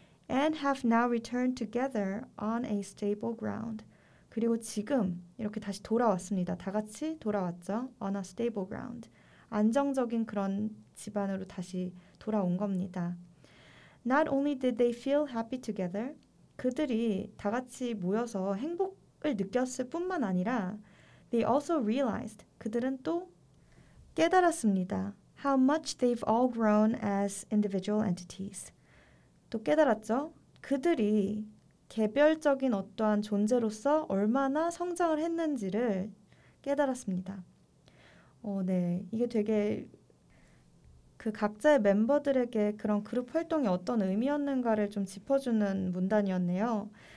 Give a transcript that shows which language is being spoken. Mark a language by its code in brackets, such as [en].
[en] And have now returned together on a stable ground. [ko] 그리고 지금 이렇게 다시 돌아왔습니다. 다 같이 돌아왔죠. [en] On a stable ground. [ko] 안정적인 그런 집안으로 다시 돌아온 겁니다. [en] Not only did they feel happy together, [ko] 그들이 다 같이 모여서 행복을 느꼈을 뿐만 아니라 [en] they also realized, [ko] 그들은 또 깨달았습니다. [en] How much they've all grown as individual entities. [ko] 또 깨달았죠. 그들이 개별적인 어떠한 존재로서 얼마나 성장을 했는지를 깨달았습니다. 네, 이게 되게 그 각자의 멤버들에게 그런 그룹 활동이 어떤 의미였는가를 좀 짚어주는 문단이었네요.